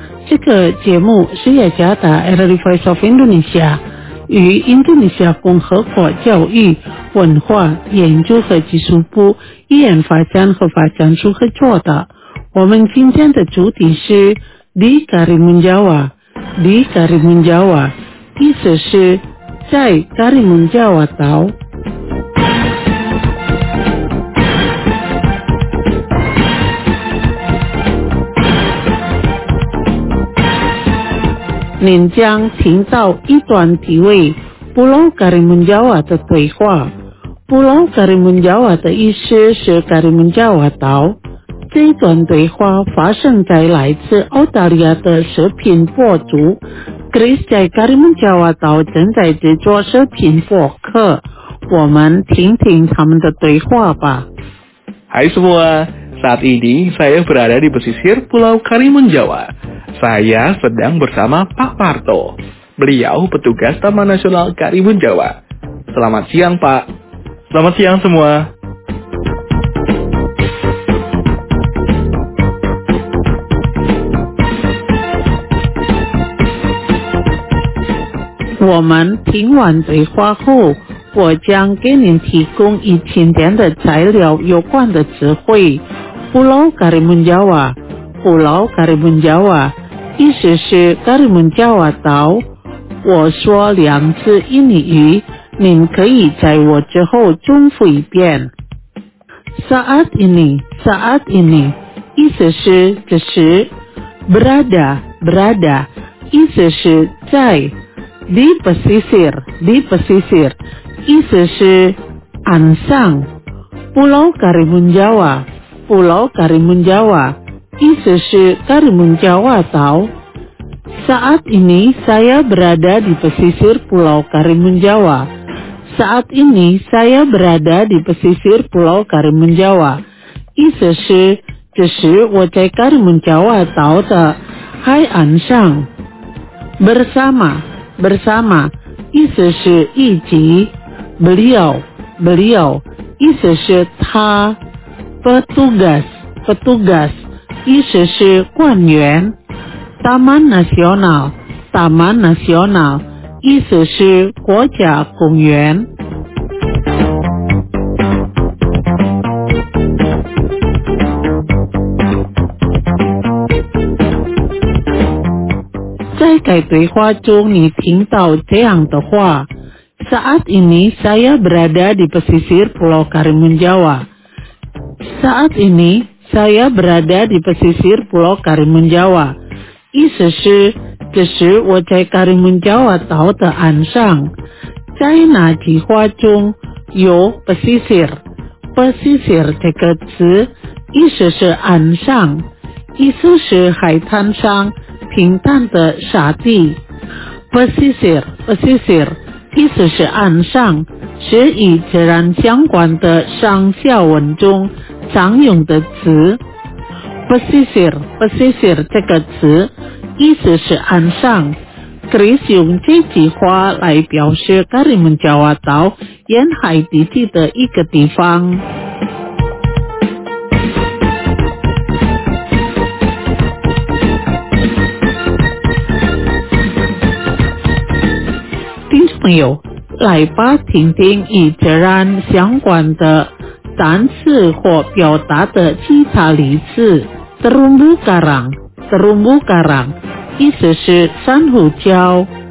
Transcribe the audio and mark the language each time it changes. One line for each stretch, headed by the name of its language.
Chinese: 这个节目是雅加达 The Voice of Indonesia。与印度尼西亚共和国教育文化研究和技术部语言发展和发展处合作的。我们今天的主题是 Di Karimun Jawa。 Di Karimun Jawa 意思是在 Karimun Jawa 岛。您将听到一段题为布隆卡里门加瓦的对话。布隆卡里门加瓦的意思是卡里门加瓦岛。这一段对话发生在来自澳大利亚的食品博主 Chris 在卡里门加瓦岛正在制作食品博客。我们听听他们的对话吧。
Indonesian: Hai semua, saat ini saya berada di pesisir Pulau Karimun Jawa. Saya sedang bersama Pak Parto. Beliau petugas Taman Nasional Karimun Jawa. Selamat siang, Pak. Selamat siang semua.
Chinese: Woman, 听完对话后我将给您提供以前点的材料有关的词汇。布劳卡里门加瓦，布劳卡里门加瓦，意思是卡里门加瓦岛。我说两次印尼语，您可以在我之后重复一遍。
Indonesian: Saat ini, saat ini，
Chinese: 意思是这时。
Indonesian: Berada, berada，
Chinese: 意思是在。
Indonesian: Di pesisir, di pesisir。
Chinese: 意思是岸上。 Pulau Karimun Jawa, Pulau Karimun Jawa, 意思是 Karimun Jawa 岛。
Indonesian: Saat ini saya berada di pesisir Pulau Karimun Jawa. Saat ini saya berada di pesisir Pulau Karimun Jawa.
Chinese: 意思是这时我在 Karimun Jawa 岛的海岸上。
Indonesian: Bersama, bersama,
Chinese: 意思是一起。
Indonesian: Beliau, beliau,
Chinese: 意思是他。
Indonesian: Petugas, petugas,
Chinese: 意思是官员。
Indonesian: Taman Nasional, Taman Nasional,
Chinese: 意思是国家公园。在改对话中，你听到这样的话。
Indonesian: Saat ini saya berada di pesisir Pulau Karimun Jawa. Saat ini saya berada di pesisir Pulau Karimun Jawa.
Chinese: 意思是这时我在 Karimun Jawa 岛的岸上。在哪句话中有 pesisir? Pesisir 这个词意思是岸上，意思是海滩上平坦的沙地。
Indonesian: Pesisir, pesisir.
Chinese: 意思是岸上，是与自然相关的上下文中常用的词。
Indonesian: Pesisir, pesisir
Chinese: 这个词，意思是岸上。 Chris 用这句话来表示卡里门加瓦岛沿海地区的一个地方。朋友，来吧，听听与自然相关的单词或表达的其他例子。
Indonesian: Terumbu karang, terumbu karang,
Chinese: 意思是珊瑚礁。